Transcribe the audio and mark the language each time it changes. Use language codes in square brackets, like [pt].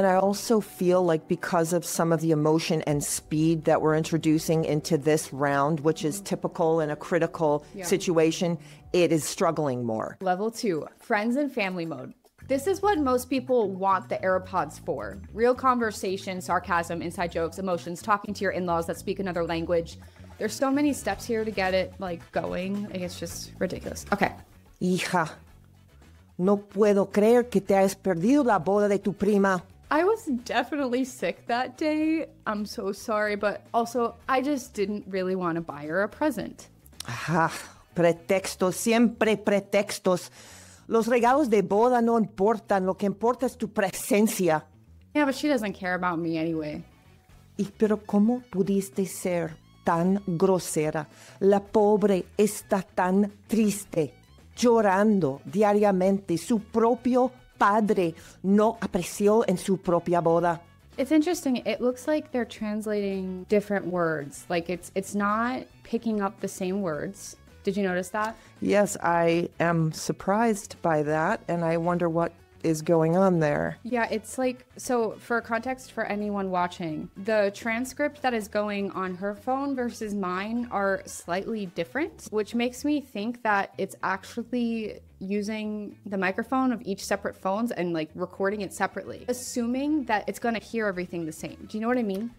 [en] And I also feel like because of some of the emotion and speed that we're introducing into this round, which is typical in a critical situation, it is struggling more. Level 2, friends and family mode. This is what most people want the AirPods for. Real conversation, sarcasm, inside jokes, emotions, talking to your in-laws that speak another language. There's so many steps here to get it, like, going. Like, it's just ridiculous. Okay. [es] Hija, no puedo creer que te hayas perdido la boda de tu prima. [en] I was definitely sick that day. I'm so sorry, but also, I just didn't really want to buy her a present. [es] Ajá. Pretextos. Siempre pretextos. Los regalos de boda no importan. Lo que importa es tu presencia. [en] Yeah, but she doesn't care about me anyway. [es] ¿Y pero cómo pudiste ser tan grosera? La pobre está tan triste, llorando diariamente. Su propio padre no apreció en su propia boda. [en] It's interesting. It looks like they're translating different words. Like it's not picking up the same words. Did you notice that? Yes, I am surprised by that. And I wonder what is going on there? Yeah, it's like, so for context for anyone watching, the transcript that is going on her phone versus mine are slightly different, which makes me think that it's actually using the microphone of each separate phones and like recording it separately, assuming that it's gonna hear everything the same. Do you know what I mean?